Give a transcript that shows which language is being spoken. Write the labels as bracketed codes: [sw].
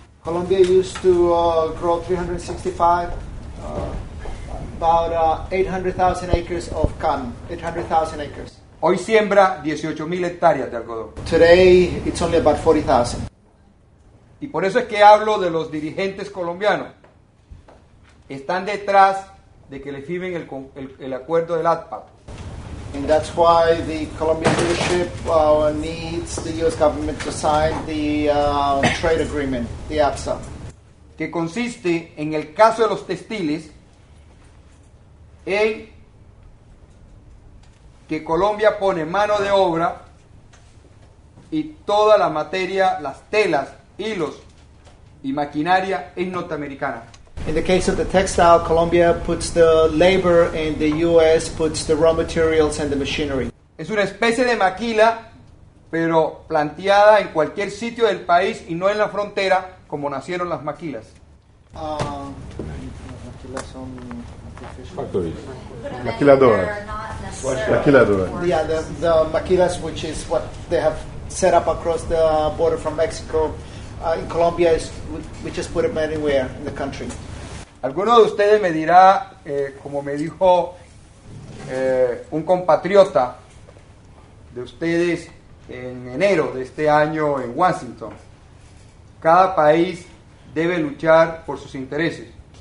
[en] Colombia used to grow 800,000 acres of cotton, 800,000 acres. [es] Hoy siembra 18,000 hectáreas de algodón. [en] Today it's only about 40,000. [es] Y por eso es que hablo de los dirigentes colombianos. Están detrás de que le firmen el acuerdo del ATPA. [en] And that's why the Colombian leadership needs the U.S. government to sign the trade agreement, the APSA. [es] Que consiste, en el caso de los textiles, en que Colombia pone mano de obra y toda la materia, las telas, hilos y maquinaria es norteamericana. [en] In the case of the textile, Colombia puts the labor and the U.S. puts the raw materials and the machinery. [es] Es una especie de maquila, pero planteada en cualquier sitio del país y no en la frontera, como nacieron las maquilas. Maquilas son... [en] Factories. Maquiladora. Maquiladora. Yeah, the maquilas, which is what they have set up across the border from Mexico. In Colombia, we just put them anywhere in the country. [es] Alguno de ustedes me dirá, como me dijo un compatriota de ustedes en enero de este año en Washington, cada país debe luchar por sus intereses.